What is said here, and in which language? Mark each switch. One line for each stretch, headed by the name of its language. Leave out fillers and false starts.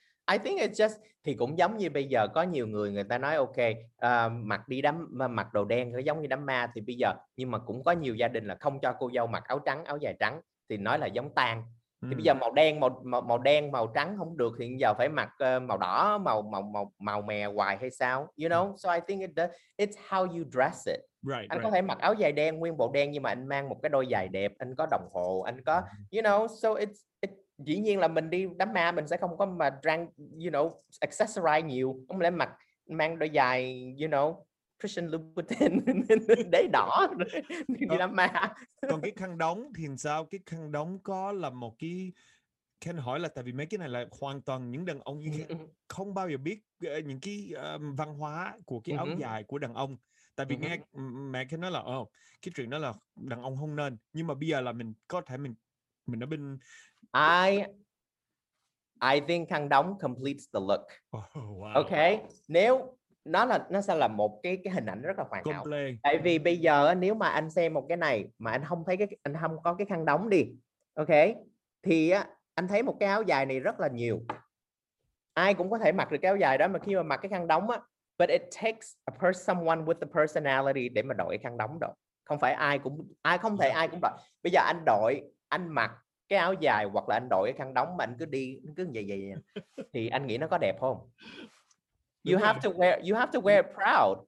English: I think it's just,
Vietnamese: thì cũng giống như bây giờ có nhiều người người ta nói ok, mặc đi đám, mặc đồ đen nó giống như đám ma thì bây giờ, nhưng mà cũng có nhiều gia đình là không cho cô dâu mặc áo trắng, áo dài trắng thì nói là giống tang. Thì bây giờ màu đen, màu đen, màu trắng không được thì giờ phải mặc màu đỏ, màu mè hoài hay sao?
English: You know? So I think it's how you dress it. Right.
Vietnamese: Có thể mặc áo dài đen, nguyên bộ đen, nhưng mà anh mang một cái đôi giày đẹp, anh có đồng hồ, anh có,
English: you know,
Vietnamese: so it's dĩ nhiên là mình đi đám ma mình sẽ không có mà trang, you know, accessorize nhiều, không lẽ mặc mang đôi giày, you know, Christian Louboutin để đỏ đi đám ma. Còn cái khăn đóng thì sao? Cái khăn đóng có là một cái, Ken hỏi là tại vì mấy cái này là hoàn toàn những đàn ông không bao giờ biết những cái văn hóa của cái áo dài của đàn ông. Tại vì nghe mẹ Ken nói là cái chuyện đó là đàn ông không nên, nhưng mà bây giờ là mình có thể mình ở bên
English: I think khăn đóng completes the look. Oh, wow. Okay.
Vietnamese: Nếu nó là nó sẽ là một cái hình ảnh rất là hoàn hảo. Tại vì bây giờ nếu mà anh xem một cái này mà anh không thấy cái anh không có cái khăn đóng đi. Okay. Thì anh thấy một cái áo dài này rất là nhiều. Ai cũng có thể mặc được cái áo dài đó, mà khi mà mặc cái khăn đóng á,
English: but it takes a person, someone with the personality
Vietnamese: để mà đội cái khăn đóng đâu. Không phải ai cũng ai không thể ai cũng đội. Bây giờ anh đội, anh mặc cái áo dài hoặc là anh đội cái khăn đóng mà anh cứ đi cứ vậy thì anh nghĩ nó có đẹp không?
English: You have to wear it proud.